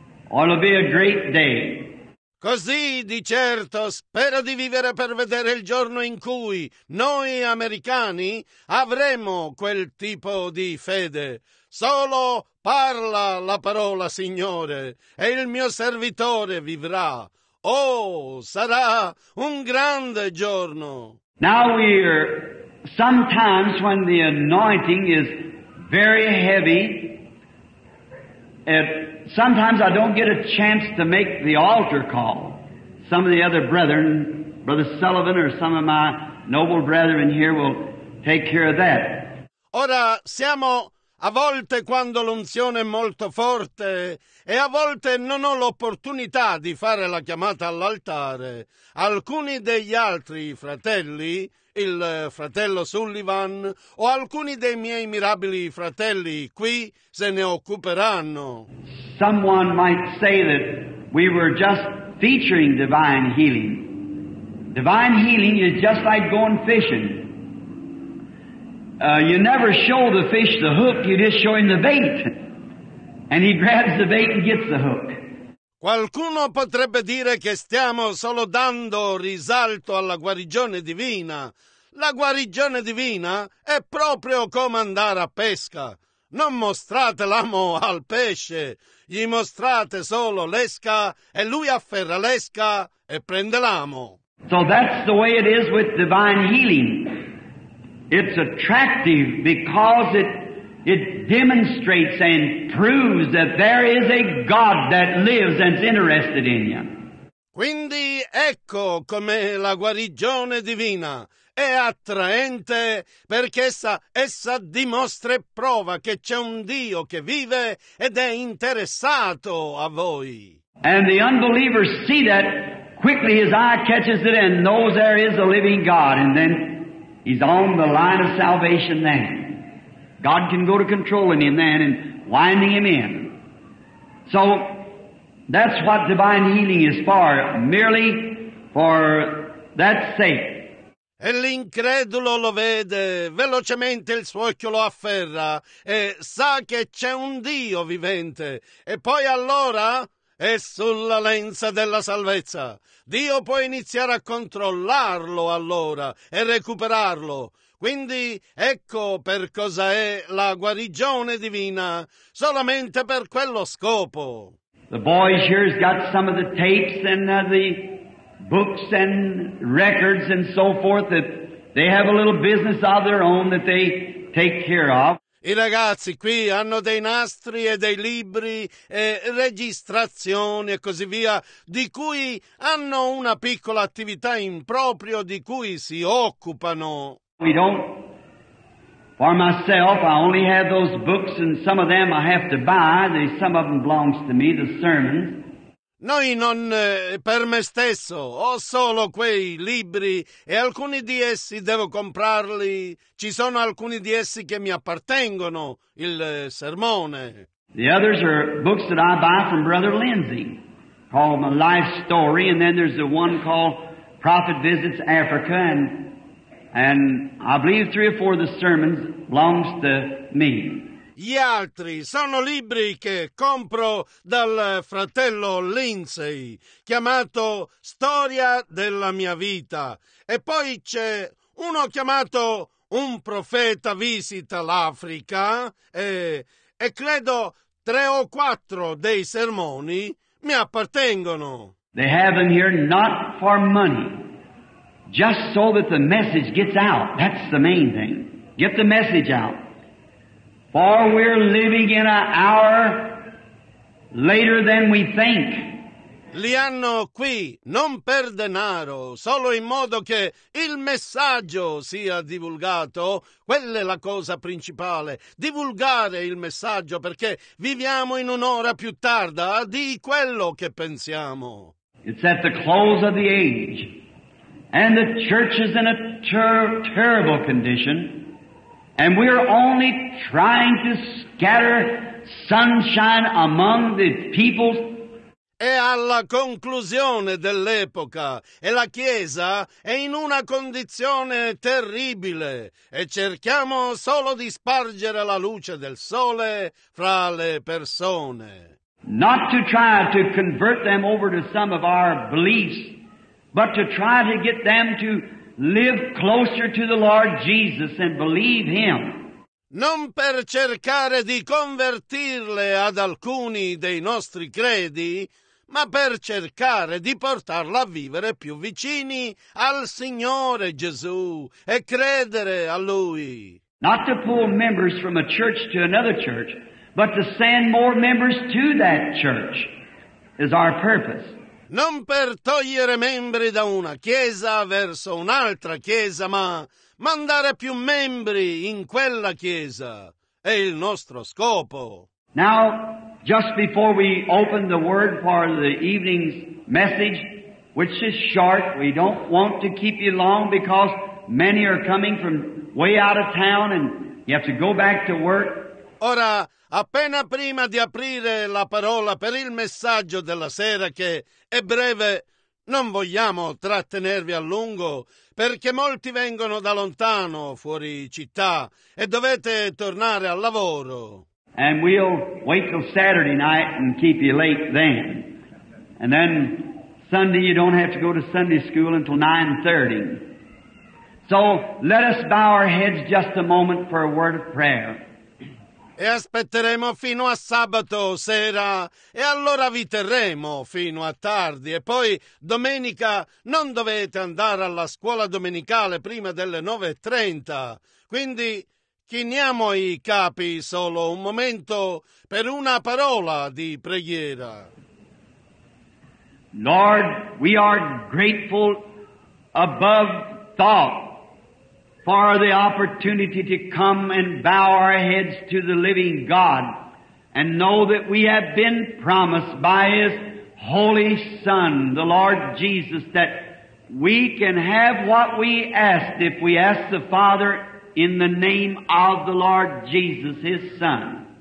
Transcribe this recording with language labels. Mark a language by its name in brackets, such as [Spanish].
[English] It'll be a great day. [Italian] Così, di certo, spero di vivere per vedere il giorno in cui noi americani avremo quel tipo di fede. Solo parla la parola, Signore, e il mio servitore vivrà. Oh, sarà un grande giorno! [English] Now we're sometimes when the anointing is very heavy, sometimes I don't get a chance to make the altar call. Some of the other brethren, Brother Sullivan or some of my noble brethren here will take care of that. [Italian] Ora, siamo a volte quando l'unzione è molto forte e a volte non ho l'opportunità di fare la chiamata all'altare. Alcuni degli altri fratelli, il fratello Sullivan o alcuni dei miei mirabili fratelli qui se ne occuperanno. [English] Someone might say that we were just featuring divine healing. Divine healing is just like going fishing. You never show the fish the hook, you just show him the bait. And he grabs the bait and gets the hook. [Italian] Qualcuno potrebbe dire che stiamo solo dando risalto alla guarigione divina. La guarigione divina è proprio come andare a pesca. Non mostrate l'amo al pesce, gli mostrate solo l'esca e lui afferra l'esca e prende l'amo. [English] So that's the way it is with divine healing. It's attractive because it demonstrates and proves that there is a God that lives and is interested in you. [Italian] Quindi ecco com'è la guarigione divina. È attraente perché essa dimostra e prova che c'è un Dio che vive ed è interessato a voi. [English] And the unbeliever see that, quickly his eye catches it and knows there is a living God, and then he's on the line of salvation then. God can go to controlling him then and winding him in. So that's what divine healing is for, merely for that sake. [Italian] E l'incredulo lo vede, velocemente il suo occhio lo afferra e sa che c'è un Dio vivente. E poi allora è sulla lenza della salvezza. Dio può iniziare a controllarlo allora e recuperarlo. Quindi ecco per cosa è la guarigione divina, solamente per quello scopo. [English] The boy here's got some of the tapes and the books and records and so forth that they have a little business of their own that they take care of. [Italian] I ragazzi qui hanno dei nastri e dei libri e registrazioni e così via, di cui hanno una piccola attività in proprio di cui si occupano. [English] We don't, for myself, I only have those books and some of them I have to buy, some of them belongs to me, the sermons. [Italian] Noi non per me stesso, ho solo quei libri e alcuni di essi devo comprarli, ci sono alcuni di essi che mi appartengono, il sermone. [English] The others are books that I buy from Brother Lindsay, called My Life Story, and then there's the one called Prophet Visits Africa, and I believe three or four of the sermons belongs to me. [Italian] Gli altri sono libri che compro dal fratello Lindsay, chiamato Storia della mia vita. E poi c'è uno chiamato Un profeta visita l'Africa e credo tre o quattro dei sermoni mi appartengono. [English] They have them here not for money, just so that the message gets out. That's the main thing. Get the message out. For we're living in an hour later than we think. [Italian] Li hanno qui non per denaro, solo in modo che il messaggio sia divulgato. Quella è la cosa principale, divulgare il messaggio, perché viviamo in un'ora più tarda di quello che pensiamo. [English] It's at the close of the age, and the church is in a terrible condition. And we are only trying to scatter sunshine among the people. [Italian] È alla conclusione dell'epoca e la Chiesa è in una condizione terribile e cerchiamo solo di spargere la luce del sole fra le persone. [English] Not to try to convert them over to some of our beliefs, but to try to get them to live closer to the Lord Jesus and believe Him. [Italian] Non per cercare di convertirle ad alcuni dei nostri credi, ma per cercare di portarla a vivere più vicini al Signore Gesù e credere a Lui. [English] Not to pull members from a church to another church, but to send more members to that church is our purpose. [Italian] Non per togliere membri da una chiesa verso un'altra chiesa, ma mandare più membri in quella chiesa è il nostro scopo. [English] Now, just before we open the word for the evening's message, which is short, we don't want to keep you long because many are coming from way out of town and you have to go back to work. [Italian] Ora, appena prima di aprire la parola per il messaggio della sera, che è breve, non vogliamo trattenervi a lungo, perché molti vengono da lontano, fuori città, e dovete tornare al lavoro. [English] And we'll wait till Saturday night and keep you late then. And then Sunday you don't have to go to Sunday school until 9:30. So let us bow our heads just a moment for a word of prayer. [Italian] E aspetteremo fino a sabato sera e allora vi terremo fino a tardi. E poi domenica non dovete andare alla scuola domenicale prima delle 9:30. Quindi chiniamo i capi solo un momento per una parola di preghiera. [English] Lord, we are grateful above thought for the opportunity to come and bow our heads to the living God and know that we have been promised by His Holy Son, the Lord Jesus, that we can have what we asked if we ask the Father in the name of the Lord Jesus, His Son.